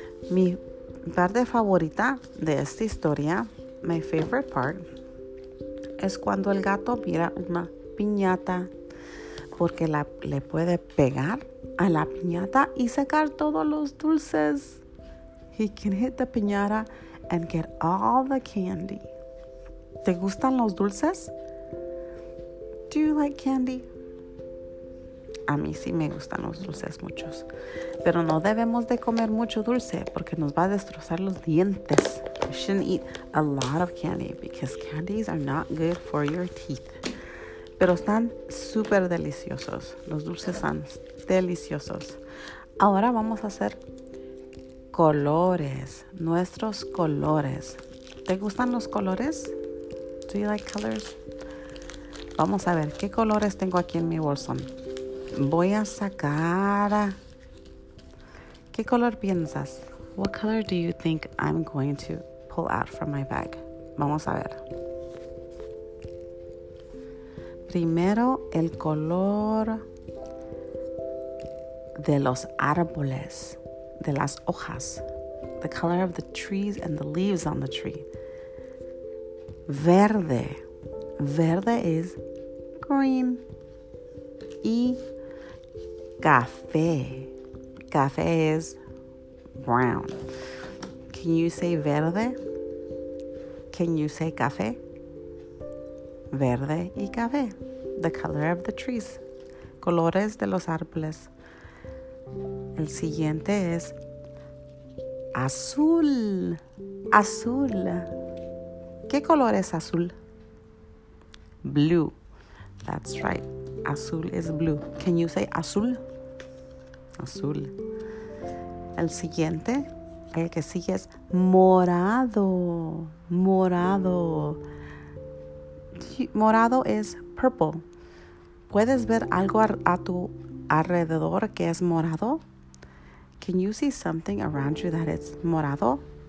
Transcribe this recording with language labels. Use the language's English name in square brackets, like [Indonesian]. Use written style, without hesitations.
[Spanish] Mi parte favorita de esta historia, [English] my favorite part, [Spanish] es cuando el gato mira una piñata, porque le puede pegar a la piñata y sacar todos los dulces. [English] He can hit the piñata and get all the candy. [Spanish] ¿Te gustan los dulces? [English] Do you like candy? [Spanish] A mí sí me gustan los dulces muchos. Pero no debemos de comer mucho dulce porque nos va a destrozar los dientes. [English] We shouldn't eat a lot of candy because candies are not good for your teeth. [Spanish] Pero están súper deliciosos. Los dulces están deliciosos. Ahora vamos a hacer colores. Nuestros colores. ¿Te gustan los colores? [English] Do you like colors? [Spanish] Vamos a ver qué colores tengo aquí en mi bolsón. Voy a sacar. ¿Qué color piensas? [English] What color do you think I'm going to pull out from my bag? [Spanish] Vamos a ver. Primero el color de los árboles, de las hojas. [English] The color of the trees and the leaves on the tree. Verde. Verde is green. Y café. Café is brown. Can you say verde? Can you say café? [Spanish] Verde y café. [English] The color of the trees. [Spanish] Colores de los árboles. El siguiente es azul. Azul. ¿Qué color es azul? [English] Blue. That's right. Azul is blue. Can you say azul? [Spanish] Azul. El siguiente, el que sigue es morado. [English] Morado. Morado is purple. [Spanish] ¿Puedes ver algo a tu alrededor que es morado? [English] Can you see something around you that is morado?